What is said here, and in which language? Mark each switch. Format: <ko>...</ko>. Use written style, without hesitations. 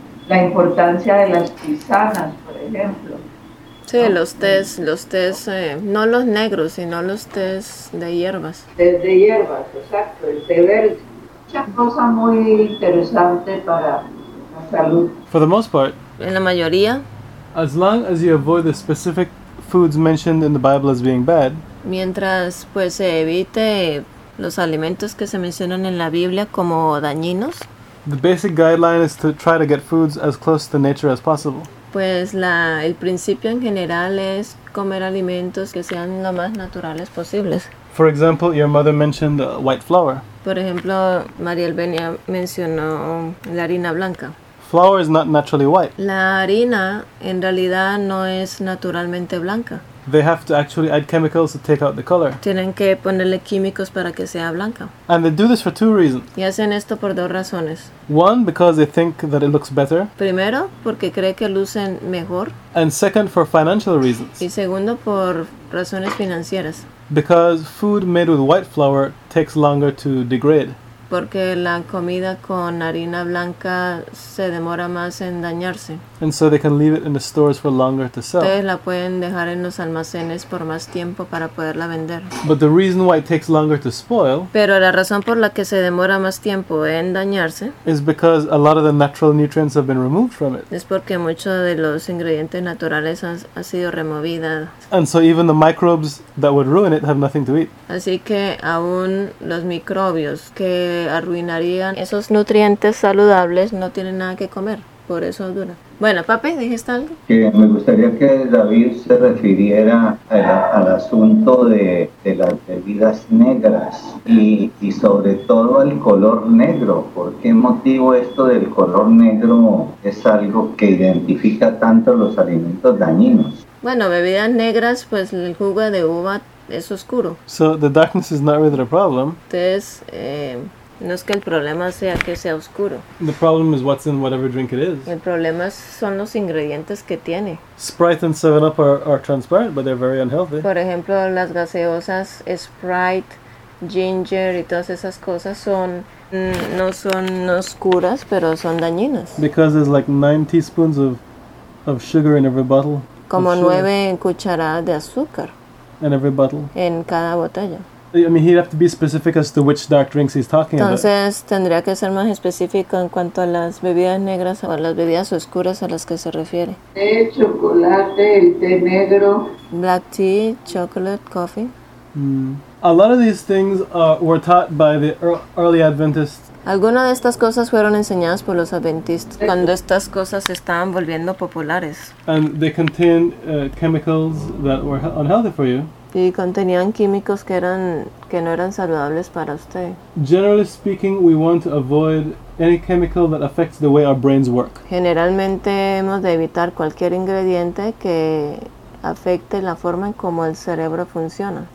<es>La importancia de las tisanas, por ejemplo. Sí, okay. los tés, no los negros, sino los tés de hierbas. Tés de hierbas, exacto, el té verde. Mucha cosa muy interesante para la salud.</es> <en>For the most part.</en> <es>En la mayoría.</es> <en>As long as you avoid the specific foods mentioned in the Bible as being bad.</en> <es>Mientras, pues, se evite los alimentos que se mencionan en la Biblia como dañinos.</es> <en>The basic guideline is to try to get foods as close to nature as possible.</en> <es>Pues el principio en general es comer alimentos que sean lo más naturales posibles.</es> <en>For example, your mother mentioned white flour.</en> <es>Por ejemplo, Mariel Benia mencionó la harina blanca.</es> <en>Flour is not naturally white.</en> <es>La harina en realidad no es naturalmente blanca.</es> <en>They have to actually add chemicals to take out the color.</en> <es>Tienen que ponerle químicos para que sea blanca.</es> <en>And they do this for two reasons.</en> <es>Y hacen esto por dos razones.</es> <en>One, because they think that it looks better.</en> <es>Primero, porque cree que lucen mejor.</es> <en>And second, for financial reasons.</en> <es>Y segundo, por razones financieras.</es> <en>Because food made with white flour takes longer to degrade.</en> <es>Porque la comida con harina blanca se demora más en dañarse.</es> <en>And so they can leave it in the stores for longer to sell.</en> <es>Entonces la pueden dejar en los almacenes por más tiempo para poderla vender.</es> <en>But the reason why it takes longer to spoil.</en> <es>Pero la razón por la que se demora más tiempo en dañarse.</es> <en>Is because a lot of the natural nutrients have been removed from it.</en> <es>Es porque muchos de los ingredientes naturales han sido removidos.</es> <en>And so even the microbes that would ruin it have nothing to eat.</en> <es>Así que aún los microbios que arruinarían esos nutrientes saludables no tienen nada que comer. por eso dura. Bueno, papi, ¿dijiste algo? Que me gustaría que David se refiriera al asunto de las bebidas negras y sobre todo al color negro. ¿Por qué motivo esto del color negro es algo que identifica tanto los alimentos dañinos? Bueno, bebidas negras, pues el jugo de uva es oscuro.</es> <en>So the darkness is not really the problem.</en> <es>Entonces, no es que el problema sea que sea oscuro.</es> <en>The problem is what's in whatever drink it is.</en> <es>El problema son los ingredientes que tiene.</es> <en>Sprite and 7-Up are transparent, but they're very unhealthy.</en> <es>Por ejemplo, las gaseosas Sprite, Ginger y todas esas cosas son no son oscuras, pero son dañinas.</es> <en>Because there's like 9 teaspoons of sugar in every bottle.</en> <es>Como 9 cucharadas de azúcar.</es> <en>In every bottle.</en> <es>En cada botella.</es> <en>I mean, he'd have to be specific as to which dark drinks he's talking</en> <es>Entonces,</es> <en>about.</en> <es>Entonces, tendría que ser más específico en cuanto a las bebidas negras o a las bebidas oscuras a las que se refiere. Té, chocolate, el té negro.</es> <en>Black tea, chocolate, coffee. A lot of these things were taught by the early Adventists.</en> <es>Algunas de estas cosas fueron enseñadas por los adventistas cuando estas cosas estaban volviendo populares.</es> <en>And they contained chemicals that were unhealthy for you.</en> <es>Y contenían químicos que no eran saludables para usted.</es> <en>Generally speaking, we want to avoid any chemical that affects the way our brains work.</en> <es>Generalmente hemos de evitar cualquier ingrediente que afecte la forma en cómo el cerebro funciona.</es>